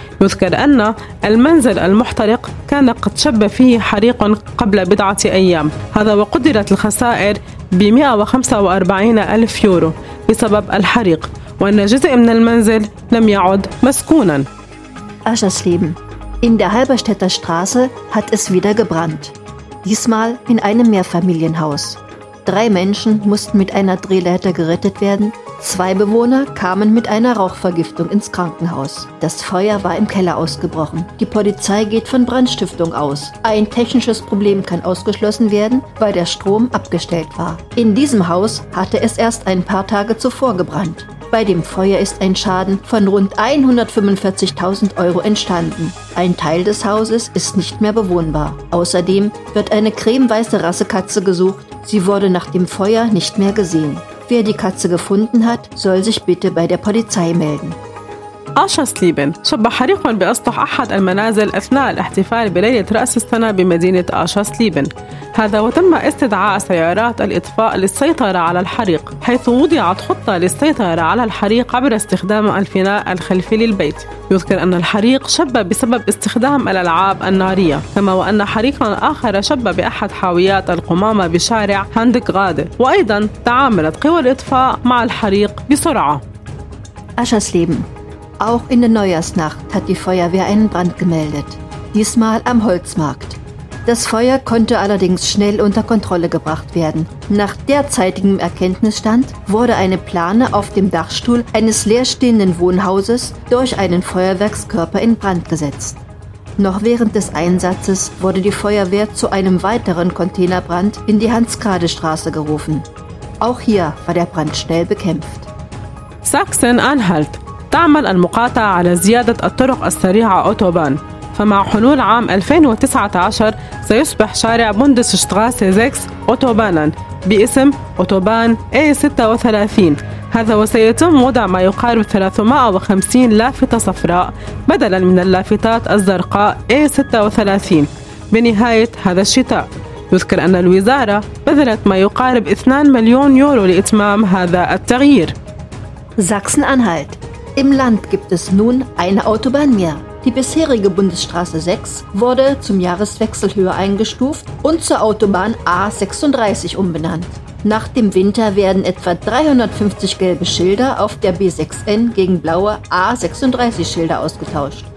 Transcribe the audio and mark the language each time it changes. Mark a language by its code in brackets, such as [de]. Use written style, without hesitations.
[ar] يذكر أن المنزل المحترق كان قد شب فيه حريق قبل بضعة أيام، هذا وقدرت الخسائر ب 145 ألف يورو بسبب الحريق، وأن جزء من المنزل لم يعد مسكونا. [de] Aschersleben. In der Halberstädter Straße hat es wieder gebrannt. Diesmal in einem Mehrfamilienhaus. Drei Menschen mussten mit einer Drehleiter gerettet werden. Zwei Bewohner kamen mit einer Rauchvergiftung ins Krankenhaus. Das Feuer war im Keller ausgebrochen. Die Polizei geht von Brandstiftung aus. Ein technisches Problem kann ausgeschlossen werden, weil der Strom abgestellt war. In diesem Haus hatte es erst ein paar Tage zuvor gebrannt. Bei dem Feuer ist ein Schaden von rund 145.000 Euro entstanden. Ein Teil des Hauses ist nicht mehr bewohnbar. Außerdem wird eine cremeweiße Rassekatze gesucht. Sie wurde nach dem Feuer nicht mehr gesehen. Wer die Katze gefunden hat, soll sich bitte bei der Polizei melden. Aschersleben. [ar] شب حريق بأسطح أحد المنازل أثناء الاحتفال بليلة رأس السنة بمدينة Aschersleben. هذا وتم استدعاء سيارات الإطفاء للسيطرة على الحريق، حيث وضعت خطة للسيطرة على الحريق عبر استخدام الفناء الخلفي للبيت. يذكر أن الحريق شب بسبب استخدام الألعاب النارية، كما وأن حريقاً آخر شب بأحد حاويات القمامة بشارع هاندك غادي، وأيضاً تعاملت قوى الإطفاء مع الحريق بسرعة. [de] Aschersleben. Auch in der Neujahrsnacht hat die Feuerwehr einen Brand gemeldet. Diesmal am Holzmarkt. Das Feuer konnte allerdings schnell unter Kontrolle gebracht werden. Nach derzeitigem Erkenntnisstand wurde eine Plane auf dem Dachstuhl eines leerstehenden Wohnhauses durch einen Feuerwerkskörper in Brand gesetzt. Noch während des Einsatzes wurde die Feuerwehr zu einem weiteren Containerbrand in die Hansgradestraße gerufen. Auch hier war der Brand schnell bekämpft. [ar] Sachsen-Anhalt. تعمل المقاطعة على زيادة الطرق السريعة أوتوبان، فمع حلول عام 2019 سيصبح شارع بوندسشتراسه 6 أوتوبانا باسم أوتوبان A36. هذا وسيتم وضع ما يقارب 350 لافتة صفراء بدلا من اللافتات الزرقاء A36 بنهاية هذا الشتاء. يذكر أن الوزارة بذلت ما يقارب 2 مليون يورو لإتمام هذا التغيير. ساكسن-أنهالت. [de] Im Land gibt es nun eine Autobahn mehr. Die bisherige Bundesstraße 6 wurde zum Jahreswechsel höher eingestuft und zur Autobahn A36 umbenannt. Nach dem Winter werden etwa 350 gelbe Schilder auf der B6N gegen blaue A36-Schilder ausgetauscht.